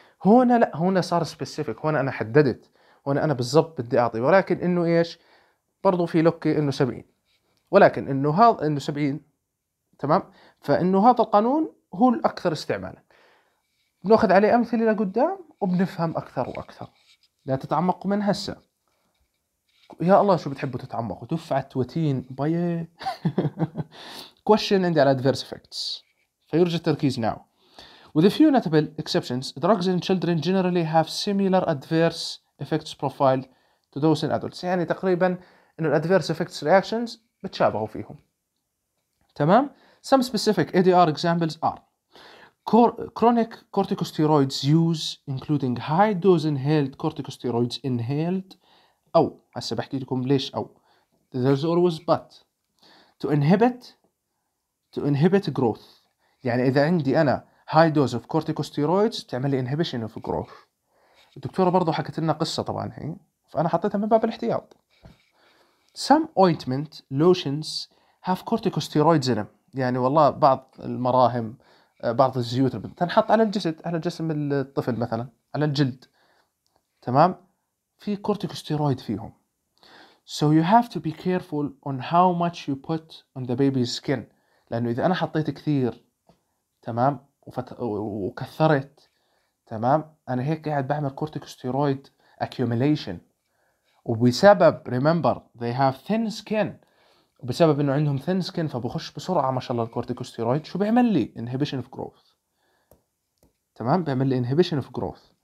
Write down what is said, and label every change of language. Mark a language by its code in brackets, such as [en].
[ar] هنا لا، هنا صار سبيسيفيك، هنا انا حددت، هنا انا بالضبط بدي اعطي، ولكن انه ايش برضو في لوكي انه 70، ولكن انه هذا انه 70 تمام، فانه هذا القانون هو الاكثر استعمالا. بناخذ عليه امثله لقدام وبنفهم اكثر واكثر. لا تتعمقوا من هسه، يا الله شو بتحبوا تتعمقوا، دفعه وتين باي. كويشن عندي على ادفيرس افكتس، فيرجى التركيز ناو. [en] With a few notable exceptions, drugs in children generally have similar adverse effects profile to those in adults. [ar] يعني تقريبا انه الادفيرس افكتس رياكشنز بتشابهوا فيهم. تمام؟ [en] Some specific ADR examples are chronic corticosteroids use including high dose inhaled corticosteroids inhaled [ar] او هسه بحكي لكم ليش او [en] there's always but to inhibit growth. [ar] يعني اذا عندي انا [en] high dose of corticosteroids [ar] تعمل لي [en] inhibition of growth. [ar] الدكتورة برضو حكت لنا قصة طبعا هي، فأنا حطيتها من باب الاحتياط. [en] Some ointment lotions have corticosteroids in them. [ar] يعني والله بعض المراهم، بعض الزيوت تنحط على الجسد، على جسم الطفل مثلا، على الجلد، تمام، في corticosteroid فيهم. [en] So you have to be careful on how much you put on the baby's skin. [ar] لأنه إذا أنا حطيت كثير تمام وكثرت تمام، انا هيك قاعد بعمل كورتيكوستيرويد اكيوميليشن، وبسبب ريمبر [en] they have thin skin، [ar] وبسبب انه عندهم thin skin فبخش بسرعه ما شاء الله الكورتيكوستيرويد، شو بيعمل لي انهيبيشن اوف جروث، تمام، بيعمل لي انهيبيشن اوف جروث.